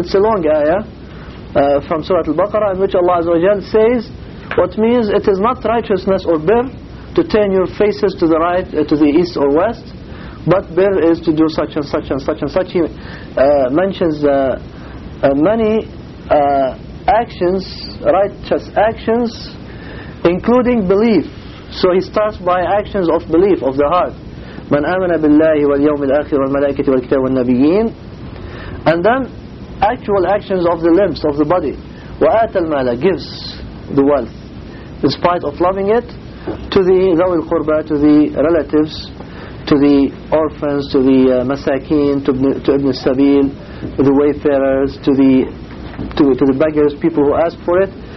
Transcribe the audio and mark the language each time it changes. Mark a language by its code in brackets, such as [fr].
[en] It's a long ayah from Surah Al-Baqarah, in which Allah Azza wa Jalla says what means it is not righteousness or birr to turn your faces to the right, to the east or west, but birr is to do such and such and such and such. He mentions many actions, righteous actions, including belief. So he starts by actions of belief of the heart. [ar] من آمن بالله واليوم الآخر والملائكة والكتاب والنبيين. [en] And then actual actions of the limbs, of the body. [ar] وآت المال, [en] gives the wealth in spite of loving it, to the [ar] ذوي القربى, [en] to the relatives, to the orphans, to the masakin, to ibn السبيل, the wayfarers, to the beggars, people who ask for it.